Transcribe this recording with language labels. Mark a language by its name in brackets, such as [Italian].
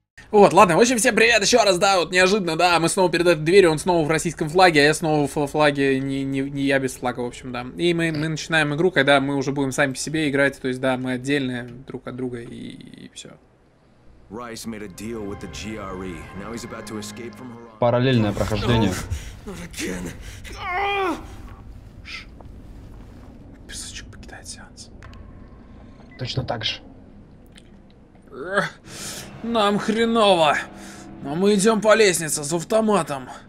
[Russian] Вот, ладно, в общем, всем привет еще раз, да, вот неожиданно, да, мы снова перед этой дверью, он снова в российском флаге, а я снова в флаге, не я без флага, в общем, да. И мы начинаем игру, когда мы уже будем сами по себе играть, то есть, да, мы отдельные друг от друга и все. [English] Rice made a deal with the GRE. Now he's about to escape from Haran. [Russian] Параллельное прохождение. Песочек покидает сеанс. Точно так же. Нам хреново. Но мы идем по лестнице с автоматом.